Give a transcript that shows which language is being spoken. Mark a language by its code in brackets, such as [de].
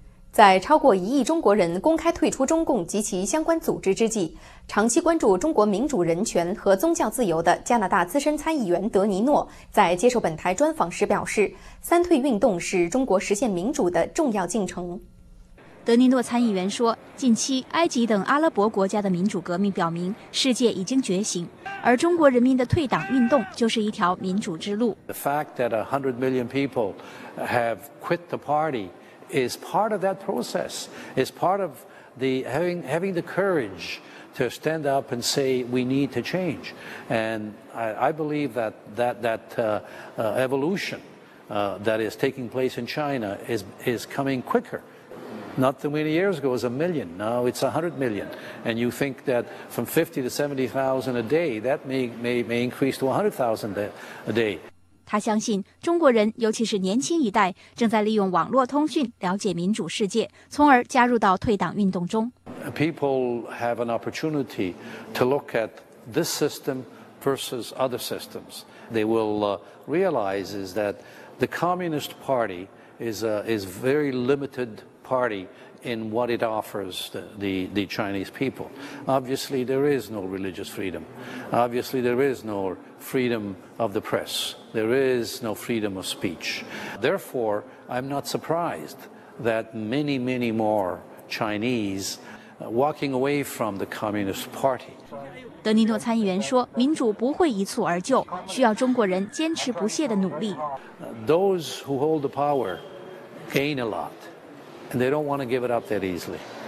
[zh] 在超过一亿中国人公开退出中共及其相关组织之际，长期关注中国民主人权和宗教自由的加拿大资深参议员德尼诺在接受本台专访时表示，三退运动是中国实现民主的重要进程。德尼诺参议员说，近期埃及等阿拉伯国家的民主革命表明世界已经觉醒，而中国人民的退党运动就是一条民主之路。 [en] The fact that 100 million people have quit the party is part of that process, is part of the having the courage to stand up and say we need to change. And I believe that evolution that is taking place in China is coming quicker. Not too many years ago, it was a million. Now it's 100 million. And you think that from 50 to 70,000 a day, that may increase to 100,000 a day. [zh] 他相信中国人，尤其是年轻一代，正在利用网络通讯了解民主世界，从而加入到退党运动中。 [en] People have an opportunity to look at this system versus other systems. They will realize is that the Communist Party is very limited. Party in what it offers the Chinese people. Obviously, there is no religious freedom. Obviously, there is no freedom of the press. There is no freedom of speech. Therefore, I'm not surprised that many, many more Chinese walking away from the Communist Party. [zh] 德尼诺参议员说，民主不会一蹴而就，需要中国人坚持不懈的努力。 [en] Those who hold the power gain a lot. And they don't want to give it up that easily.